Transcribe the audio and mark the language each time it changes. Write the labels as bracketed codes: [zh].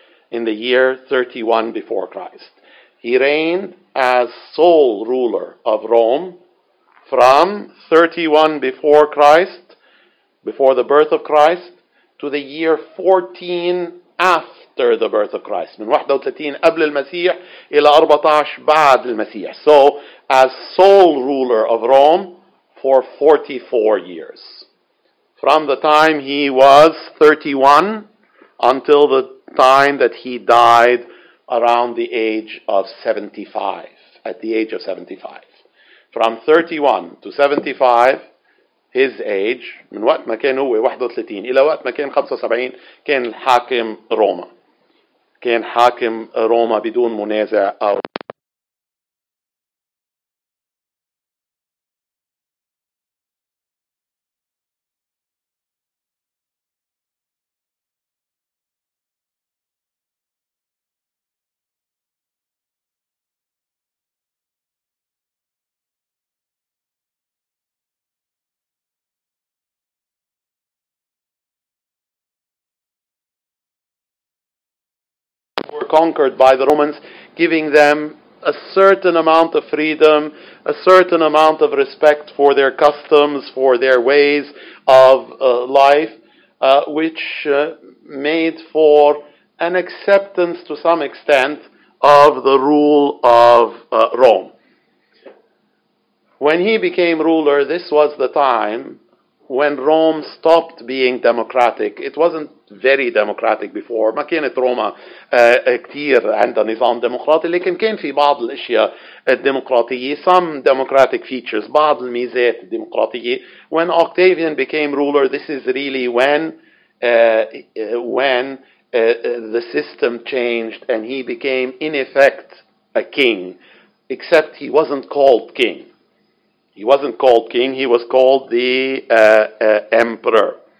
[en] In the year 31 before Christ. He reigned as sole ruler of Rome from 31 before Christ, before the birth of Christ, to the year 14 after the birth of Christ. [ar] من 31 قبل المسيح إلى 14 بعد المسيح. [en] So, as sole ruler of Rome for 44 years. From the time he was 31 until the time that he died around the age of 75, at the age of 75. From 31 to 75, his age, [ar] من وقت ما كان هو 31 إلى وقت ما كان 75, كان حاكم روما. كان حاكم روما بدون منازع أو [en] conquered by the Romans, giving them a certain amount of freedom, a certain amount of respect for their customs, for their ways of life, which made for an acceptance to some extent of the rule of Rome. When he became ruler, this was the time when Rome stopped being democratic. It wasn't very democratic before. [ar] ما كانت روما كتير عندها نظام ديمقراطي, لكن كان في بعض الأشياء الديمقراطية, [en] some democratic features, [ar] بعض الميزات الديمقراطية. [en] When Octavian became ruler, this is really when the system changed and he became, in effect, a king. Except he wasn't called king. He wasn't called king, he was called the emperor.